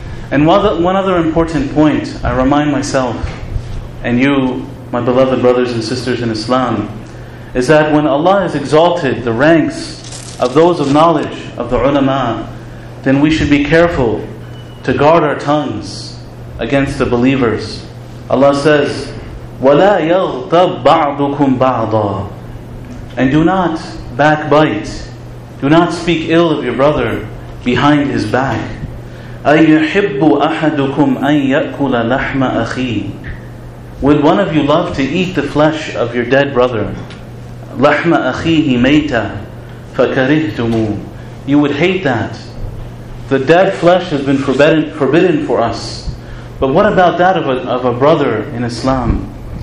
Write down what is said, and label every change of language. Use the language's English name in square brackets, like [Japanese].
[English] And one other important point I remind myself and you, my beloved brothers and sisters in Islam, is that when Allah has exalted the ranks of those of knowledge, of the ulama, then we should be careful to guard our tongues against the believers. Allah says, [Arabic] وَلَا يَغْتَبْ بَعْضُكُمْ بَعْضًا. [English] And do not backbite. Do not speak ill of your brother behind his back. [Arabic] أَيُحِبُّ أَحَدُكُمْ أَن يَأْكُلَ لَحْمَ أَخِيهِ. [English] Would one of you love to eat the flesh of your dead brother? [Arabic] لَحْمَ أَخِيهِ مَيْتًا فَكَرِهْتُمُوهُ. [English] You would hate that. The dead flesh has been forbidden for us. But what about that of a brother in Islam?